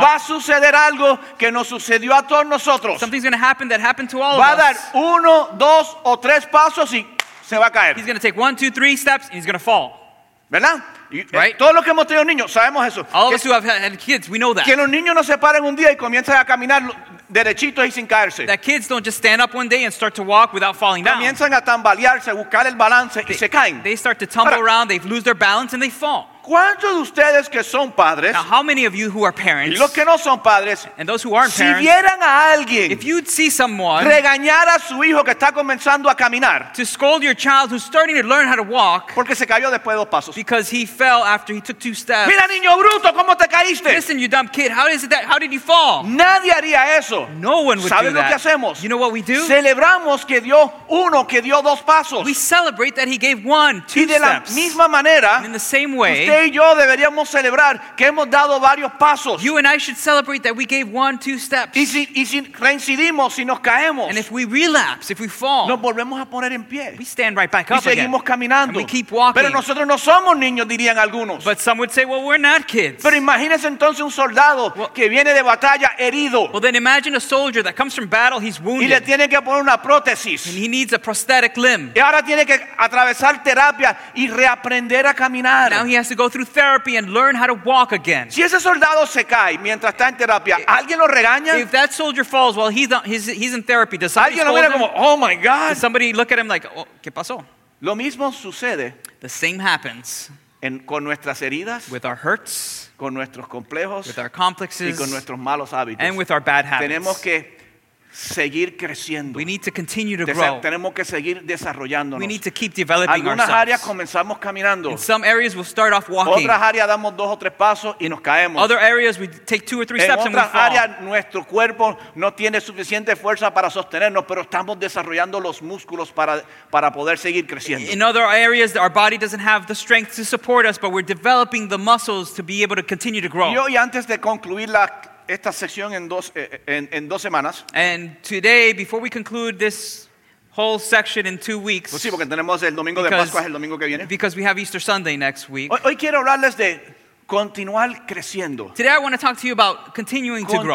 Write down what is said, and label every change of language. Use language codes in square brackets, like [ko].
[es] va a suceder algo que nos sucedió a todos nosotros. [en] Something's going to happen that happened to all [es] va [en] of us. [es] Va a dar uno, dos o tres pasos y se va a caer. [en] He's going to take 1, 2, 3 steps and he's going to fall. [es] ¿Verdad? [en] Right? [es] Todos los que hemos tenido niños sabemos eso. [en] All of us who have had kids, we know that. [es] Que los niños no se paren un día y comienzan a caminar derechito y sin caerse. [en] That kids don't just stand up one day and start to walk without falling down. [es] Comienzan a tambalearse, buscar el balance y se caen. [en] They start to tumble around, they lose their balance and they fall. [es] ¿Cuántos de ustedes que son padres? [en] Now, how many of you who are parents? [es] Y los que no son padres. [en] And those who aren't parents. [es] Si vieran a alguien. [en] If you'd see someone. [es] Regañar a su hijo que está comenzando a caminar. [en] To scold your child who's starting to learn how to walk. [es] Porque se cayó después de dos pasos. [en] Because he fell after he took two steps. [es] Mira, niño bruto, ¿cómo te caíste? [en] Listen, you dumb kid, how is it that, how did you fall? [es] Nadie haría eso. [en] No one would do that. [es] ¿Sabes lo que hacemos? [en] You know what we do? [es] Celebramos que dio uno, que dio dos pasos. [en] We celebrate that he gave one, two steps. [es] Y de la misma manera. [en] In the same way. [es] Usted y yo deberíamos celebrar que hemos dado varios pasos. [en] You and I should celebrate that we gave one, two steps. [es] Y si reincidimos, si nos caemos. [en] And if we relapse, if we fall. [es] Nos volvemos a poner en pie. [en] We stand right back up again. [es] Y seguimos caminando. [en] And we keep walking. [es] Pero nosotros no somos niños, dirían algunos. [en] But some would say, well, we're not kids. [es] Pero imagínese entonces un soldado que viene de batalla herido. [en] Well, then imagine a soldier that comes from battle, he's wounded. [es] Y le tiene que poner una prótesis. [en] And he needs a prosthetic limb. [es] Y ahora tiene que atravesar terapia y reaprender a caminar. [en] Now he has to go through therapy and learn how to walk again. [es] Si ese soldado se cae mientras está en terapia, ¿alguien lo regaña? [en] If that soldier falls while he's in therapy, does somebody scold him? Como, oh my God. Does somebody look at him like, oh, [es] ¿qué pasó? Lo mismo sucede. [en] The same happens. [es] Con nuestras heridas. [en] With our hurts. [es] Con nuestros complejos. [en] With our complexes. [es] Y con nuestros malos hábitos. [en] And with our bad habits. [es] Tenemos que seguir creciendo. [en] We need to continue to grow. [es] Tenemos que seguir desarrollándonos. [en] We need to keep developing ourselves. [es] Algunas áreas comenzamos caminando. [en] In some areas we'll start off walking. [es] Otras áreas damos dos o tres pasos y nos caemos. [en] Other areas we take two or three [es] en [en] steps and we fall. [es] En otras áreas nuestro cuerpo no tiene suficiente fuerza para sostenernos, pero estamos desarrollando los músculos para poder seguir creciendo. [en] In other areas our body doesn't have the strength to support us, but we're developing the muscles to be able to continue to grow. [es] Y hoy, antes de concluir la esta sección en dos semanas. [en] And today, before we conclude this whole section in 2 weeks. [es] Pues sí, porque tenemos el domingo de Pascua, el domingo que viene. [en] Because we have Easter Sunday next week. [es] Hoy quiero hablarles de continuar creciendo. [en] Today I want to talk to you about continuing to grow.